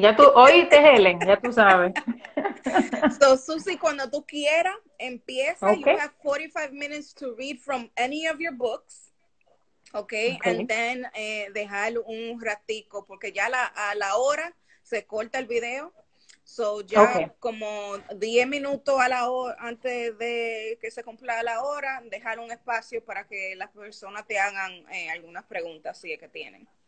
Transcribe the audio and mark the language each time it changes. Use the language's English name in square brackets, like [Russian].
[Spanish] Ya tú oíste, Helen, ya tú sabes. So, Susy, cuando tú quieras, empieza. [English] Okay. You have 45 minutes to read from any of your books. Okay. And then [Spanish] dejar un ratico, porque ya a la hora se corta el video. So, ya como 10 minutos a la hora, antes de que se cumpla la hora, dejar un espacio para que las personas te hagan algunas preguntas, si es que tienen.